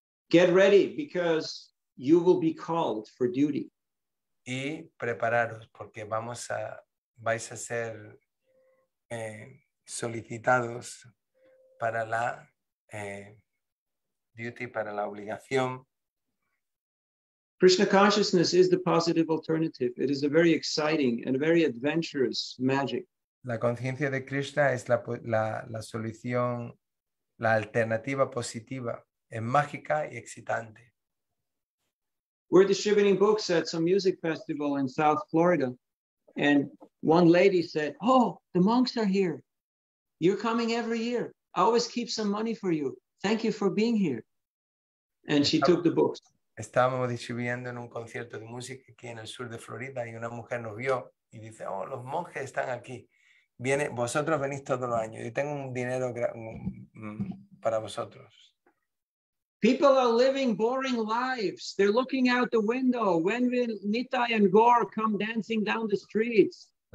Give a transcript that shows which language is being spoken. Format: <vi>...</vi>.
<en>Get ready because you will be called for duty.</en> <es>Y prepararos porque vais a ser solicitados para la duty, para la obligación.</es> <en>Krishna consciousness is the positive alternative. It is a very exciting and a very adventurous magic.</en> <es>La conciencia de Krishna es la solución, la alternativa positiva, es mágica y excitante.</es> <en>We're distributing books at some music festival in South Florida, and one lady said, "Oh, the monks are here. You're coming every year. I always keep some money for you. Thank you for being here." And she took the books.</en> <es>Estábamos distribuyendo en un concierto de música aquí en el sur de Florida y una mujer nos vio y dice, "Oh, los monjes están aquí. Viene, vosotros venís todos los años. Yo tengo un dinero para vosotros."</es> <en>People are living boring lives. They're looking out the window. When will Nitai and Gaur come dancing down the streets?</en>